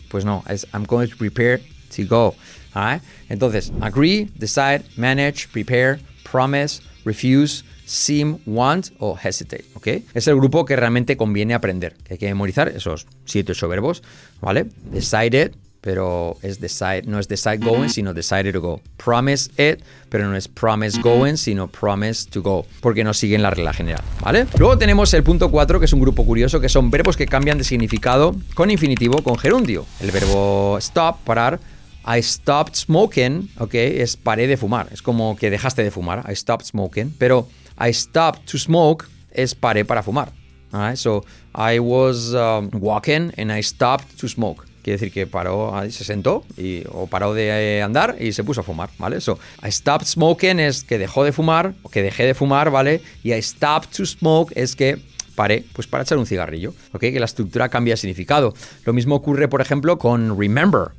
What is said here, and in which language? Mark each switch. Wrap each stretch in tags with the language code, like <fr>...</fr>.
<es>Pues no, es</es> <en>I'm going to prepare to go.</en> <es>¿Vale? Entonces,</es> <en>agree, decide, manage, prepare, promise, refuse, seem, want o hesitate. ¿Ok?</en> <es>Es el grupo que realmente conviene aprender. Que hay que memorizar esos 7-8 verbos. ¿Vale?</es> <en>Decided,</en> <es>pero es</es> <en>decide,</en> <es>no es</es> <en>decide going, sino decided to go. Promise it,</en> <es>pero no es</es> <en>promise going,</en> <es>sino</es> <en>promise to go,</en> <es>porque no siguen la regla general, ¿vale? Luego tenemos el punto 4, que es un grupo curioso, que son verbos que cambian de significado con infinitivo, con gerundio. El verbo stop, parar,</es> <en>I stopped smoking,</en> <es>¿ok? Es paré de fumar, es como que dejaste de fumar,</es> <en>I stopped smoking,</en> <es>pero</es> <en>I stopped to smoke</en> <es>es paré para fumar, ¿vale?</es> <en>So, I was walking and I stopped to smoke.</en> <es>Quiere decir que paró, se sentó y, o paró de andar y se puso a fumar, ¿vale?</es> <en>So, I stopped smoking</en> <es>es que dejó de fumar o que dejé de fumar, ¿vale? Y</es> <en>I stopped to smoke</en> <es>es que paré, pues para echar un cigarrillo, ¿ok? Que la estructura cambia de significado. Lo mismo ocurre, por ejemplo, con remember.</es>